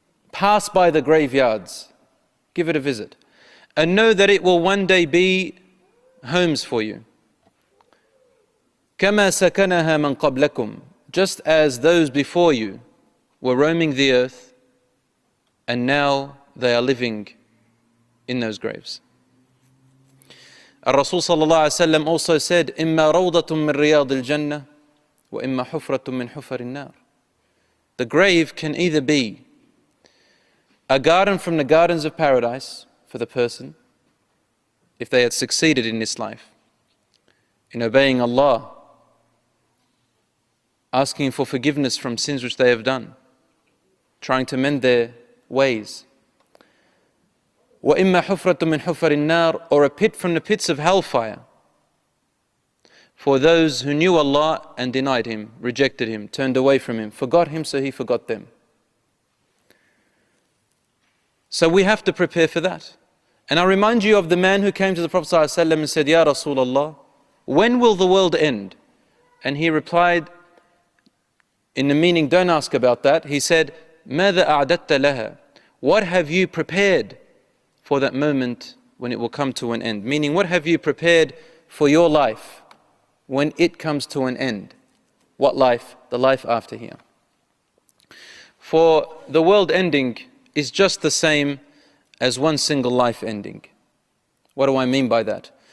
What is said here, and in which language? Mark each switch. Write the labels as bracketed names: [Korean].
[English] Pass by the graveyards, give it a visit, and know that it will one day be homes for you. [Arabic] كَمَا سَكَنَهَا مَنْ قَبْلَكُمْ. [English] Just as those before you were roaming the earth, and now they are living in those graves. Rasul sallallahu alayhi wa sallam also said, [Arabic] إِمَّا رَوْضَةٌ مِنْ رِيَاضِ الْجَنَّةِ وَإِمَّا حُفْرَةٌ مِّنْ حُفَرِ النَّارِ. [English] The grave can either be a garden from the gardens of paradise for the person, if they had succeeded in this life, in obeying Allah, asking for forgiveness from sins which they have done, trying to mend their ways. [Arabic] وَإِمَّا حُفْرَةٌ مِّنْ حُفَرِ النَّارِ. [English] Or a pit from the pits of hellfire, for those who knew Allah and denied Him, rejected Him, turned away from Him, forgot Him, so He forgot them. So we have to prepare for that. And I remind you of the man who came to the Prophet ﷺ and said, Ya Rasulullah, when will the world end? And he replied, in the meaning, don't ask about that. He said, [Arabic] ماذا أعددت لها? [English] What have you prepared for that moment when it will come to an end? Meaning, what have you prepared for your life when it comes to an end? What life? The life after here. For the world ending is just the same as one single life ending. What do I mean by that?